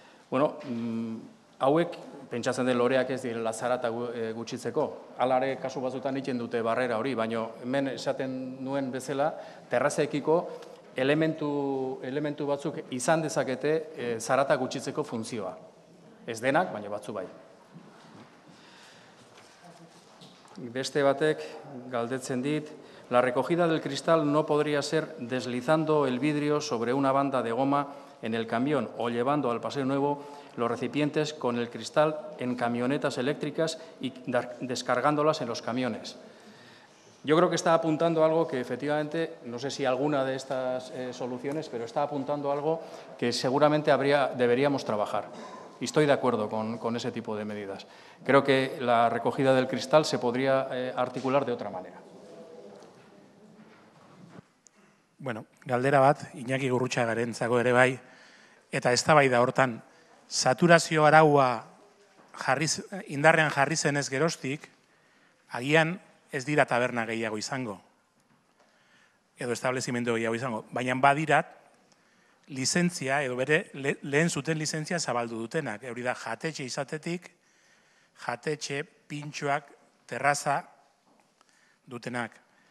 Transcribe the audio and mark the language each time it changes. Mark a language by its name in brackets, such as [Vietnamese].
[Basque] Bueno, hauek pentsatzen den loreak ez direla zarata gutxitzeko. Alare kasu batzutan egiten dute barrera hori, baina hemen esaten nuen bezala, terrazekiko elementu batzuk izan dezakete zarata gutxitzeko funtzioa. Ez denak, baina batzu bai. Beste batek galdetzen dit, [Spanish] la recogida del cristal no podría ser deslizando el vidrio sobre una banda de goma en el camión o llevando al paseo nuevo los recipientes con el cristal en camionetas eléctricas y descargándolas en los camiones. Yo creo que está apuntando algo que efectivamente, no sé si alguna de estas soluciones, pero está apuntando algo que seguramente deberíamos trabajar. Y estoy de acuerdo con ese tipo de medidas. Creo que la recogida del cristal se podría articular de otra manera. [Basque] Bueno, galdera bat, Iñaki Gurrutxagarentzako ere bai, eta eztabaida hortan, saturazio araua indarrean jarri zenez geroztik, agian ez dira taberna gehiago izango, edo establezimendu gehiago izango, baina badira lizentzia, edo bere lehen zuten lizentzia zabaldu dutenak, hori da jatetxe izatetik, jatetxe, pintxoak, terraza dutenak.